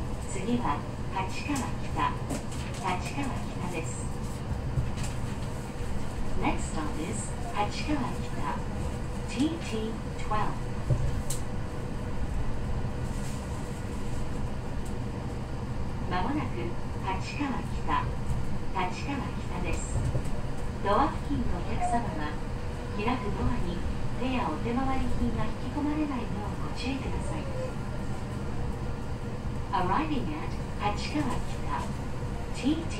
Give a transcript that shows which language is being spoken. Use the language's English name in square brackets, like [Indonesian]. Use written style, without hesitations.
[Japanese] 次は立川北、立川北です。 [English] Next stop is 立川北、TT12。 [Japanese] まもなく立川北、立川北です。ドア付近のお客様は、開くドアに手やお手回り品が引き込まれないようご注意ください。 [English] Arriving at 立川北 TT12.